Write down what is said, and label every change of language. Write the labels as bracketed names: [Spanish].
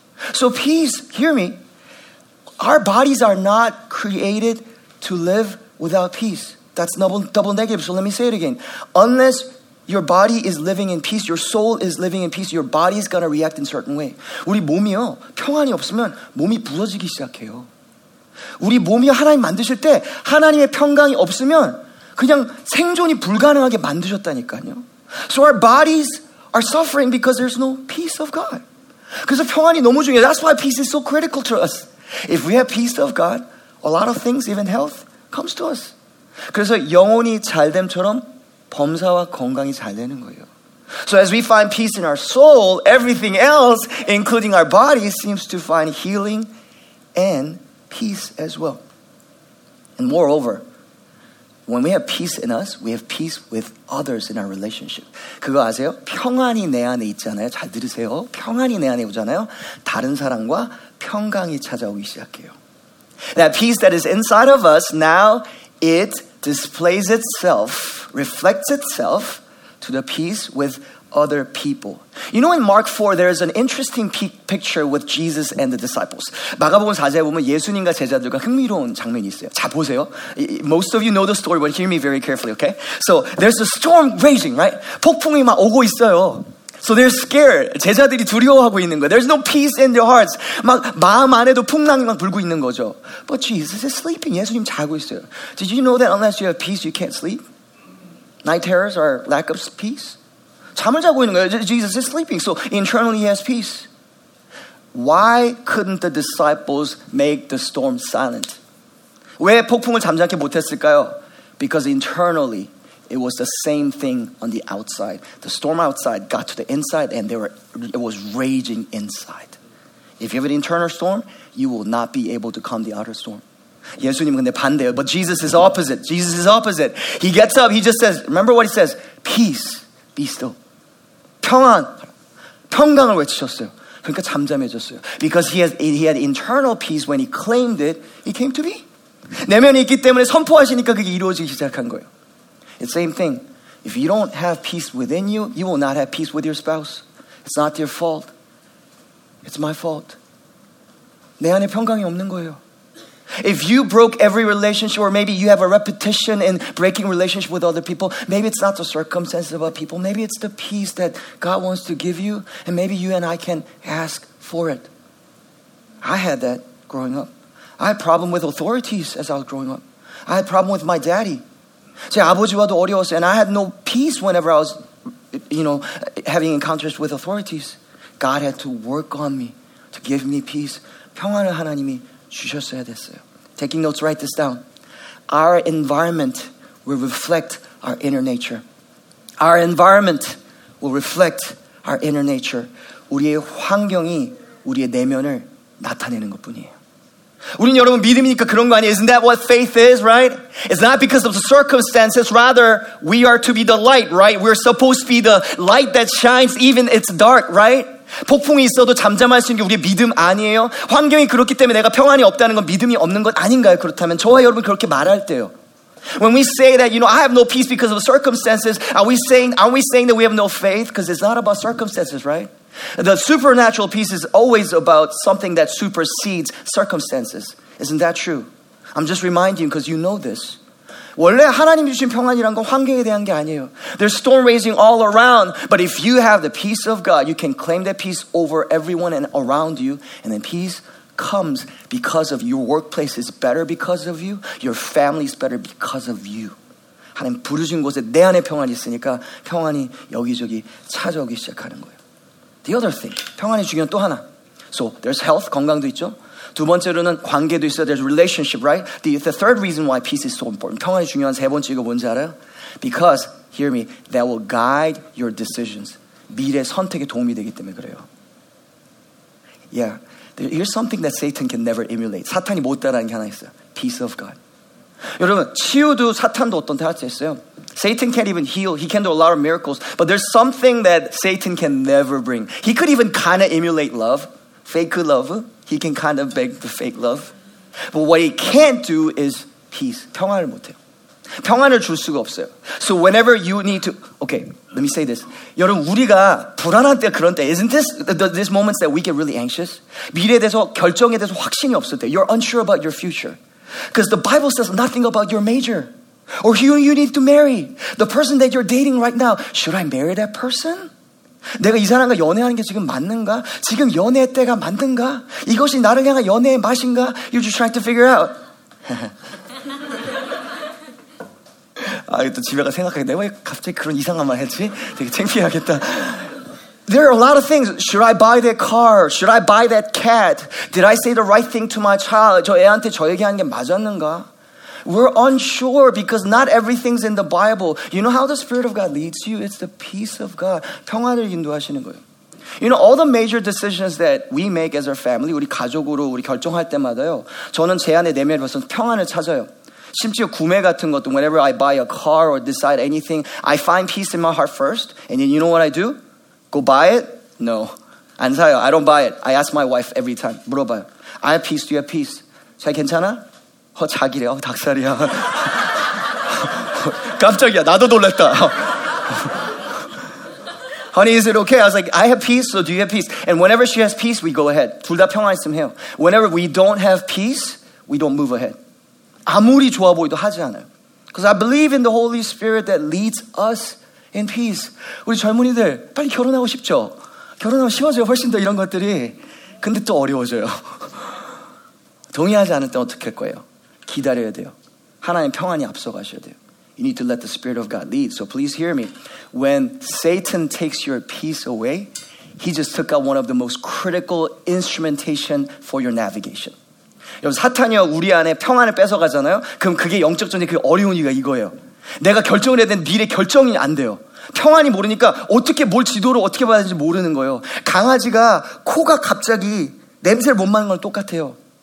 [English] So please hear me. Our bodies are not created to live without peace. That's double negative. So let me say it again. Unless your body is living in peace, your soul is living in peace, your body is going to react in a certain way. [Korean] 우리 몸이요, 평안이 없으면 몸이 부러지기 시작해요. 우리 몸이 하나님 만드실 때 하나님의 평강이 없으면 그냥 생존이 불가능하게 만드셨다니까요. [English] So our bodies are suffering because there's no peace of God. [Korean] 그래서 평안이 너무 중요해요. [English] That's why peace is so critical to us. If we have peace of God, a lot of things, even health, comes to us. [Korean] 그래서 영혼이 잘됨처럼 범사와 건강이 잘되는 거예요. [English] So as we find peace in our soul, everything else, including our body, seems to find healing and peace as well. And moreover, when we have peace in us, we have peace with others in our relationship. [Korean] 그거 아세요? 평안이 내 안에 있잖아요. 잘 들으세요. 평안이 내 안에 오잖아요. 다른 사람과 평강이 찾아오기 시작해요. [English] That peace that is inside of us, now it displays itself, reflects itself to the peace with other people. You know, in Mark 4, there is an interesting picture with Jesus and the disciples. [Korean] 마가복음 4장에 보면 예수님과 제자들과 흥미로운 장면이 있어요. 자, 보세요. [English] Most of you know the story, but hear me very carefully, okay? So there's a storm raging, right? [Korean] 폭풍이 막 오고 있어요. [English] So they're scared. [Korean] 제자들이 두려워하고 있는 거예요. [English] There's no peace in their hearts. [Korean] 막 마음 안에도 풍랑이 막 불고 있는 거죠. [English] But Jesus is sleeping. [Korean] 예수님 자고 있어요. [English] Did you know that unless you have peace, you can't sleep? Night terrors are lack of peace? [Korean] 잠을 자고 있는 거예요. [English] Jesus is sleeping. So internally he has peace. Why couldn't the disciples make the storm silent? [Korean] 왜 폭풍을 잠잠케 못했을까요? [English] Because internally, it was the same thing on the outside. The storm outside got to the inside and it was raging inside. If you have an internal storm, you will not be able to calm the outer storm. [Korean] 예수님은 근데 반대예요. [English] But Jesus is opposite. Jesus is opposite. He gets up. He just says, remember what he says? Peace. Be still. [Korean] 평안. 평강을 외치셨어요. 그러니까 잠잠해졌어요. [English] Because he had internal peace when he claimed it, it came to be. [Korean] 내면이 있기 때문에 선포하시니까 그게 이루어지기 시작한 거예요. [English] It's the same thing. If you don't have peace within you, you will not have peace with your spouse. It's not your fault. It's my fault. [Korean] 내 안에 평강이 없는 거예요. [English] If you broke every relationship, or maybe you have a repetition in breaking relationship with other people, maybe it's not the circumstances about people. Maybe it's the peace that God wants to give you, and maybe you and I can ask for it. I had that growing up. I had a problem with authorities as I was growing up. I had a problem with my daddy. [Korean] 제 아버지와도 어려웠어요. [English] And I had no peace whenever I was, you know, having encounters with authorities. God had to work on me to give me peace. [Korean] 평안을 하나님이 주셨어야 됐어요. [English] Taking notes, write this down. Our environment will reflect our inner nature. Our environment will reflect our inner nature. [Korean] 우리의 환경이 우리의 내면을 나타내는 것뿐이에요. 우린 여러분 믿음이니까 그런 거 아니에요. [English] Isn't that what faith is, right? It's not because of the circumstances. Rather, we are to be the light, right? We're supposed to be the light that shines even if it's dark, right? [Korean] 폭풍이 있어도 잠잠할 수 있는 게 우리의 믿음 아니에요? 환경이 그렇기 때문에 내가 평안이 없다는 건 믿음이 없는 것 아닌가요? 그렇다면 저와 여러분 그렇게 말할 때요. [English] When we say that, you know, I have no peace because of the circumstances, are we saying that we have no faith? Because it's not about circumstances, right? The supernatural peace is always about something that supersedes circumstances. Isn't that true? I'm just reminding you because you know this. [Korean] 원래 하나님 주신 평안이란 건 환경에 대한 게 아니에요. [English] There's storm raging all around, but if you have the peace of God, you can claim that peace over everyone and around you, and then peace comes because of your workplace is better because of you, your family is better because of you. [Korean] 하나님 부르신 곳에 내 안에 평안이 있으니까 평안이 여기저기 찾아오기 시작하는 거예요. [English] The other thing, [Korean] 평안이 중요한 또 하나. [English] So there's health, [Korean] 건강도 있죠. 두 번째로는 관계도 있어요. [English] There's relationship, right? The third reason why peace is so important. [Korean] 평안이 중요한 세 번째 이거 뭔지 알아요? [English] Because, hear me, that will guide your decisions. [Korean] 미래 선택에 도움이 되기 때문에 그래요. [English] Yeah, here's something that Satan can never emulate. [Korean] 사탄이 못 따라하는 게 하나 있어요. [English] Peace of God. [Korean] 여러분, 치유도 사탄도 어떤 때 할 수 있어요. [English] Satan can't even heal. He can do a lot of miracles. But there's something that Satan can never bring. He could even kind of emulate love. Fake love. He can kind of beg the fake love. But what he can't do is peace. [Korean] 평화를 못해요. 평안을 줄 수가 없어요. [English] So whenever you need to, okay, let me say this. [Korean] 여러분 우리가 불안한 때 그런 때, [English] isn't this these moments that we get really anxious? [Korean] 미래에 대해서 결정에 대해서 확신이 없을 때, [English] you're unsure about your future, because the Bible says nothing about your major or who you need to marry. The person that you're dating right now, should I marry that person? [Korean] 내가 이 사람과 연애하는 게 지금 맞는가? 지금 연애 때가 맞는가? 이것이 나를 향한 연애의 맛인가? [English] You're just trying to figure out. [Korean] 아, 또 집에 가서 생각하게 돼. 왜 갑자기 그런 이상한 말 했지? 되게 창피하겠다. [English] There are a lot of things. Should I buy that car? Should I buy that cat? Did I say the right thing to my child? [Korean] 저 애한테 저 얘기한 게 맞았는가? [English] We're unsure because not everything's in the Bible. You know how the Spirit of God leads you? It's the peace of God. [Korean] 평화를 인도하시는 거예요. [English] You know, all the major decisions that we make as our family, [Korean] 우리 가족으로 우리 결정할 때마다요, 저는 제 안에 내면에서 평안을 찾아요. 심지어 구매 같은 것도 [English] whenever I buy a car or decide anything, I find peace in my heart first. And then you know what I do? Go buy it? No. [Korean] 안 사요. [English] I don't buy it. I ask my wife every time. [Korean] 물어봐요. [English] I have peace. Do you have peace? [Korean] 잘 괜찮아? 어, 자기래. 어, 닭살이야. 깜짝이야. 나도 놀랐다. [English] Honey, is it okay? I was like, I have peace, so do you have peace? And whenever she has peace, we go ahead. [Korean] 둘 다 평화 있으면 해요. [English] Whenever we don't have peace, we don't move ahead. [Korean] 아무리 좋아 보이도 하지 않아요. [English] Because I believe in the Holy Spirit that leads us in peace. [Korean] 우리 젊은이들 빨리 결혼하고 싶죠? 결혼하면 쉬워져요. 훨씬 더 이런 것들이. 근데 또 어려워져요. 동의하지 않을 때 어떻게 할 거예요? 기다려야 돼요. 하나님의 평안이 앞서가셔야 돼요. [English] You need to let the Spirit of God lead. So please hear me. When Satan takes your peace away, he just took out one of the most critical instrumentation for your navigation. [Korean] 여러분 사탄이 우리 안에 평안을 뺏어가잖아요. 그럼 그게 영적 전쟁 그 어려운 이유가 이거예요. 내가 결정을 해야 되는 미래 결정이 안 돼요. 평안이 모르니까 어떻게 뭘 지도를 어떻게 받아야 되는지 모르는 거예요. 강아지가 코가 갑자기 냄새를 못 맡는 건 똑같아요.